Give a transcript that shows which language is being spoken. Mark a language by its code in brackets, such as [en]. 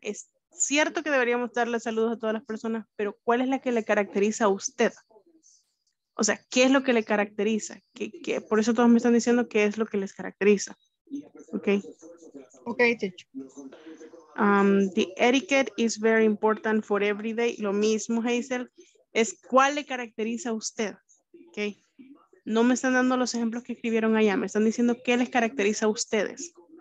[es] Es cierto que deberíamos darle saludos a todas las personas, pero ¿cuál es la que le caracteriza a usted? O sea, ¿qué es lo que le caracteriza? ¿Qué, por eso todos me están diciendo qué es lo que les caracteriza. [en] Ok. Ok, teacher. The etiquette is very important for every day. [es] Lo mismo, Hazel. Es ¿cuál le caracteriza a usted? Ok. No me están dando los ejemplos que escribieron allá. Me están diciendo qué les caracteriza a ustedes.